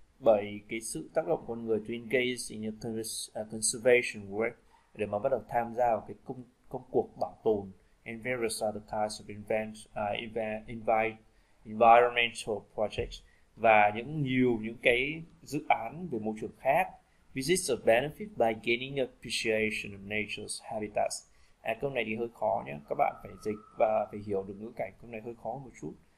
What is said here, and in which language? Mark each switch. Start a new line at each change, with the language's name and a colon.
Vietnamese: Bởi cái sự tác động con người
English: to engage in conservation work
Vietnamese: để mà bắt đầu tham gia vào cái công cuộc bảo tồn
English: and various other kinds of environmental projects
Vietnamese: và những cái dự án về môi trường khác.
English: This is a benefit by gaining appreciation of nature's habitats.
Vietnamese: Câu này thì hơi khó nhé, các bạn phải dịch và phải hiểu được ngữ cảnh, câu này hơi khó một chút.